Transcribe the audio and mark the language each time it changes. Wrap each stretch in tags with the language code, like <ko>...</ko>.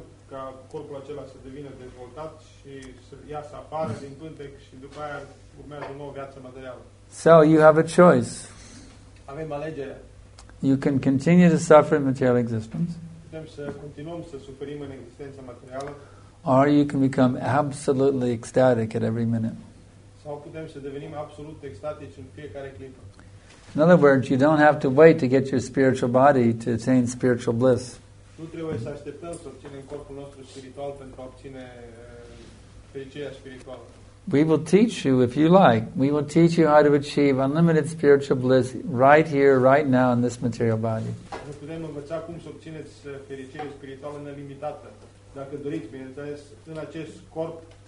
<ro>Ca corpul acela să devină dezvoltat și să iasă afară din pântec și după aia urmează o nouă viață materială.</ro> <en>So you have a choice.</en> <ro>Avem alegere.</ro> <en>You can continue to suffer in material existence.</en> <ro>Putem să continuăm să suferim în existența materială.</ro> <en>Or you can become absolutely ecstatic at every minute.</en> <ro>Sau putem să devenim absolut ecstatici în fiecare clipă.</ro> <en>In other words, you don't have to wait to get your spiritual body to attain spiritual bliss.</en> <ro>Nu trebuie să așteptăm să obținem corpul nostru spiritual pentru a obține fericirea spirituală.</ro> <en>We will teach you, if you like, we will teach you how to achieve unlimited spiritual bliss right here, right now, in this material body.</en> <ro>Vă putem învăța cum să obțineți fericire spirituală nelimitată, dacă doriți, bineînțeles, în acest corp.</ro>